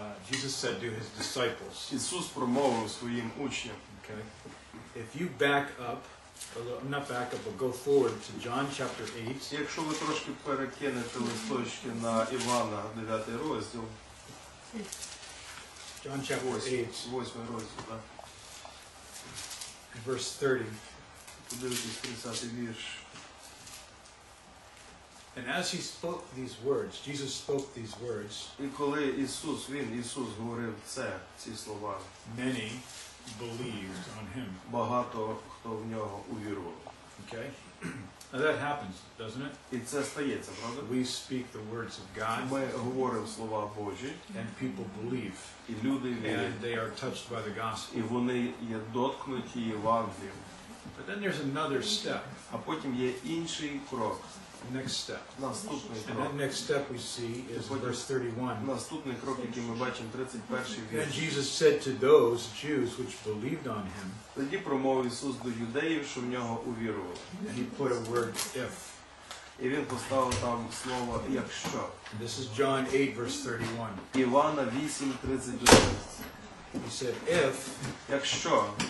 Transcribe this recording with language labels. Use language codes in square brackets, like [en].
[en] Jesus said to his disciples, okay, if you back up, but go forward to John chapter 8. [uk] Якщо ви трошки перекинете листочки на Івана, 9 розділ. [en] John chapter 8. [uk] 8 розділ, так. [en] Verse 30. [uk] Подивитись 30 вірш. [en] And as he spoke these words, Jesus spoke these words. [uk] І коли Ісус, він, Ісус говорив це, ці слова. [en] Many believed on him. [uk] Багато хто в нього увірував. [en] Okay? Now that happens, doesn't it? [uk] І це стається, правда? [en] We speak the words of God. [uk] Ми говоримо слова Божі. [en] And people believe. [uk] І люди вірять. [en] And they are touched by the gospel. [uk] І вони є доткнуті Євангелієм. [en] But then there's another step. [uk] А потім є інший крок. [en] Next step. [uk] Наступний крок. [en] And that next step we see is verse 31. [uk] Наступний крок, який ми бачимо, 31-й вірш. [en] And Jesus said to those Jews which believed on him. [uk] Тоді промовив Ісус до юдеїв, що в нього увірували. [en] He put a word if. [uk] І він поставив там слово якщо. [en] This is John 8 verse 31. [uk] Івана 8:31. [en] He said if. [uk] Якщо.